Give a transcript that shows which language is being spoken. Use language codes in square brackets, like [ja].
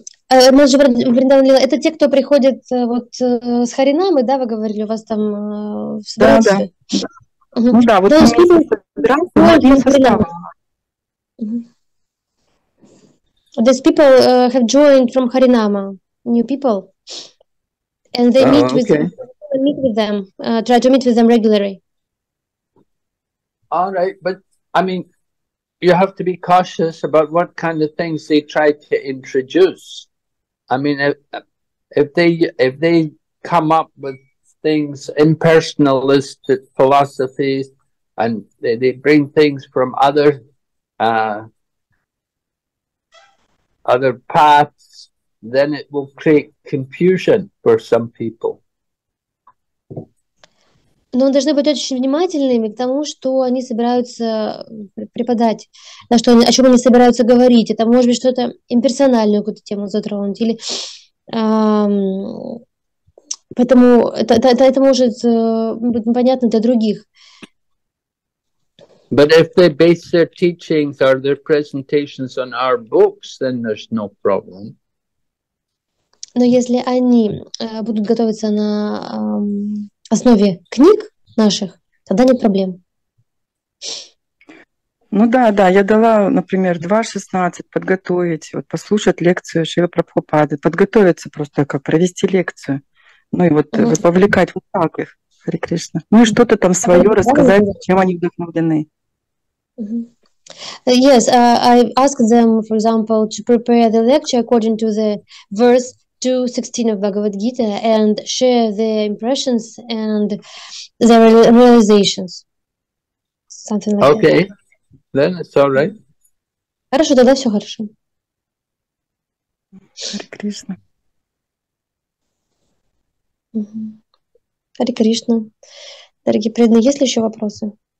[ru] Это те, кто приходит вот с Харинамы, да, вы говорили, у вас там в Сурасе? Да, да. Угу. Ну да, вот мы собираемся. [en] These people have joined from Харинама, new people, and they try to meet with them regularly. All right, but I mean, you have to be cautious about what kind of things they try to introduce. I mean, if they come up with things, impersonalist philosophies, and they bring things from other paths, then it will create confusion for some people. [ru] Но должны быть очень внимательными к тому, что они собираются преподать, на что они, о чем они собираются говорить. Это может быть что-то имперсональную какую-то тему затронуть. Или, поэтому это может быть непонятно для других. [en] But if they base their teachings or their presentations on our books, then there's no problem. [ru] Но если они будут готовиться на основе книг наших, тогда нет проблем. Ну да, да, я дала, например, 2.16 подготовить, вот послушать лекцию Шрилы Прабхупады, подготовиться просто, как провести лекцию, ну и вот вовлекать вот так их, Харе Кришна. Ну и что-то там свое рассказать, чем они вдохновлены. Mm-hmm. [en] Yes, I asked them, for example, to prepare the lecture according to the verse 2.16 of Bhagavad Gita and share their impressions and their realizations. Something like okay. Okay, then it's all right. [ru] Хорошо, тогда все хорошо. Харе Кришна. Дорогие преданные, есть ли еще вопросы?